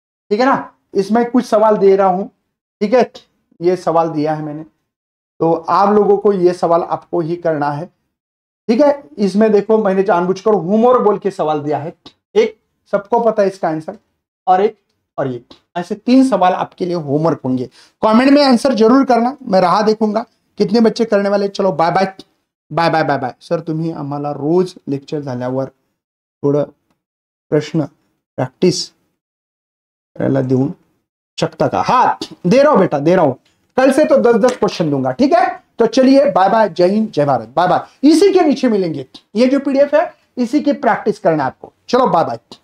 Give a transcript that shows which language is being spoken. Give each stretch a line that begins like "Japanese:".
Hindi: ठीक है ना, इसमें कुछ सवाल दे रहा हूं, ठीक है, ये सवाल दिया है मैंने, तो आप लोगों को ये सवाल आपको ही करना है। ठीक है, इसमें देखो मैंने जानबूझकर ह्यूमर बोल के सवाल दिया है, एक सबको पता है इसका आंसर, और एक और ये, ऐसे तीन सवाल आपके लिए होमवर्क होंगे। कमेंट में आंसर जरूर करना, मैं रहा देखूंगा कितने बच्चे करने वाले। चलो bye bye bye bye bye bye sir,
Marathi: तुम्ही आम्हाला रोज लेक्चर झाल्यावर थोडं प्रश्न प्रॅक्टिस करायला देऊ शकता का?
Hindi: हा दे रहा हूं बेटा, दे रहा हूं, कल से तो 10-10 क्वेश्चन दूंगा। ठीक है, तो चलिए बाय बाय, जय हिंद जय भारत, बाय बाय। इसी के नीचे मिलेंगे, ये जो पीडीएफ है इसी की प्रैक्टिस करना आपको। चलो बाय बाय।